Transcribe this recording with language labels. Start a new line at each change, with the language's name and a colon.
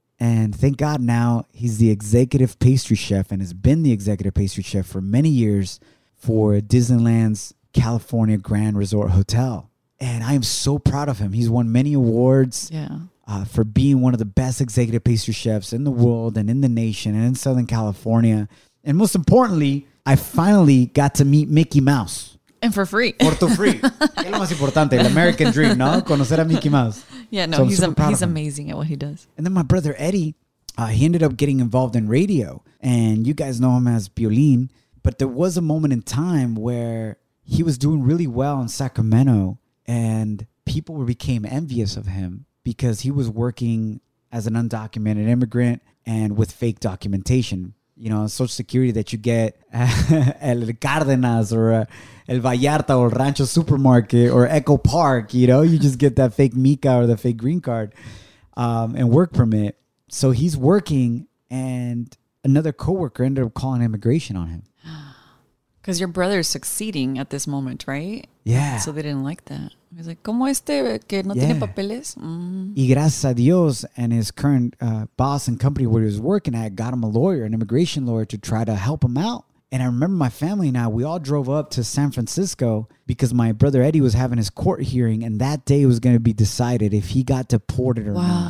English: And thank God now he's the executive pastry chef and has been the executive pastry chef for many years for Disneyland's California Grand Resort Hotel. And I am so proud of him. He's won many awards for being one of the best executive pastry chefs in the world and in the nation and in Southern California. And most importantly, I finally got to meet Mickey Mouse. And for free.
Spanish: Por tu free. Es lo más importante, el American dream, ¿no? Conocer a Mickey Mouse.
English: Yeah, no, so he's amazing at what he does. And then my brother Eddie, he ended up getting involved in radio. And you guys know him as Piolín. But there was a moment in time where he was doing really well in Sacramento. And people became envious of him because he was working as an undocumented immigrant and with fake documentation. You know, Social Security that you get El Cardenas or El Vallarta or Rancho Supermarket or Echo Park. You know, you just get that fake Mica or the fake green card and work permit. So he's working and another coworker ended up calling immigration on him. Because your brother is succeeding at this moment, right? Yeah. So they didn't like that.
Spanish: He's like, ¿cómo este que no tiene papeles? Y gracias a Dios
English: and his current boss and company where he was working at got him a lawyer, an immigration lawyer, to try to help him out. And I remember my family and I, we all drove up to San Francisco because my brother Eddie was having his court hearing and that day was going to be decided if he got deported or not.